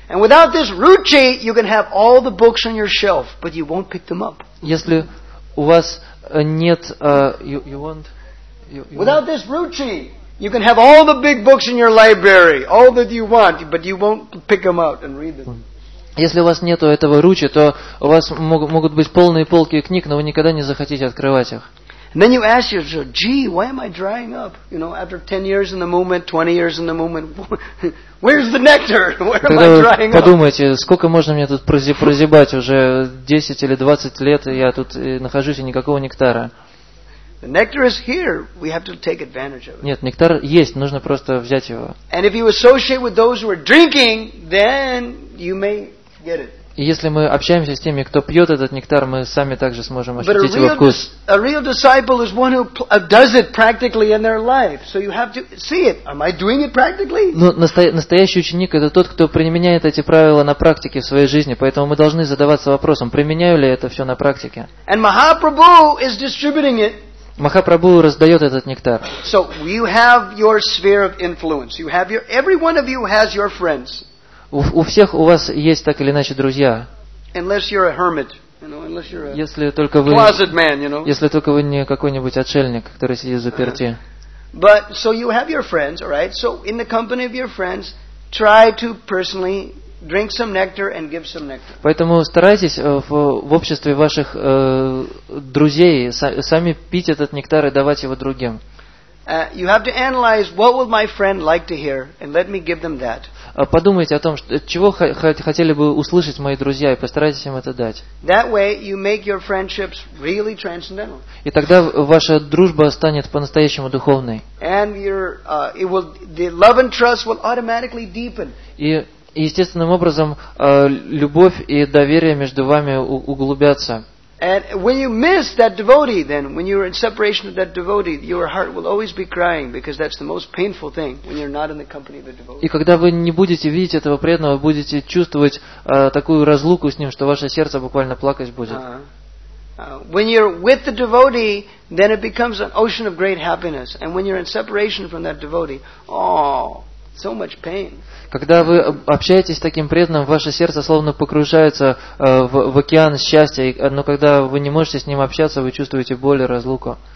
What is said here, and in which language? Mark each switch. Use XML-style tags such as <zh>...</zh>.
<en>And without this Ruchi, you can have all the books on your shelf, but you won't pick them up.</en> <ru>Если у вас нет,</ru> <en>without this ruchi, you can have all the big books in your library, all that you want, but you won't pick them out and read them.</en> <ru>Если у вас нет этого ruchi, то у вас могут быть полные полки книг, но вы никогда не захотите открывать их.</ru> <en>And then you ask yourself, gee, why am I drying up? You know, after 10 years in the movement, 20 years in the movement, where's the nectar? Where</en> <ru>Тогда</ru> <en>am I drying up?</en> <ru>Подумайте, сколько можно мне тут прозябать? Уже 10 или 20 лет я тут нахожусь, и никакого нектара.</ru> <en>The nectar is here. We have to take advantage of it.</en> <ru>Нет, нектар есть, нужно просто взять его.</ru> <en>And if you associate with those who are drinking, then you may get it.</en> <ru>И если мы общаемся с теми, кто пьет этот нектар, мы сами также сможем ощутить его вкус.</ru> <en>A real disciple is one who does it practically in their life. So you have to see it. Am I doing it practically?</en> <ru>Но настоящий ученик это тот, кто применяет эти правила на практике в своей жизни. Поэтому мы должны задаваться вопросом, применяю ли я это все на практике.</ru> <en>And Mahaprabhu is distributing it.</en> <ru>Махапрабху раздает этот нектар.</ru> <en>So you have your sphere of influence. You have your, every one of you has your friends.</en> <ru>У всех у вас есть так или иначе друзья.</ru> <en>Unless you're a hermit, you know,</en> <ru>если только вы,</ru> <en>closet man, you know.</en> <ru>Если только вы не какой-нибудь отшельник, который сидит заперти.</ru> <en>But so you have your friends, right? So in the company of your friends, try to personally drink some nectar and give some nectar.</en> <ru>Поэтому старайтесь в обществе ваших друзей сами пить этот нектар и давать его другим.</ru> <en>You have to analyze what would my friend like to hear, and let me give them that.</en> <ru>Подумайте о том, чего хотели бы услышать мои друзья, и постарайтесь им это дать.</ru> <en>That way you make your friendships really transcendental.</en> <ru>И тогда ваша дружба станет по-настоящему духовной.</ru> <en>And your it will the love and trust will automatically deepen.</en> <ru>И естественным образом любовь и доверие между вами углубятся.</ru> <en>And when you miss that devotee, then when you're in separation of that devotee, your heart will always be crying because that's the most painful thing when you're not in the company of the devotee.</en> <ru>И когда вы не будете видеть этого преданного, будете чувствовать такую разлуку с ним, что ваше сердце буквально плакать будет.</ru> <en>When you're with the devotee, then it becomes an ocean of great happiness. And when you're in separation from that devotee, oh, so much pain.</en> <ru>Когда вы общаетесь с таким преданным, ваше сердце словно погружается в океан счастья, но когда вы не можете с ним общаться, вы чувствуете боль и разлуку.</ru>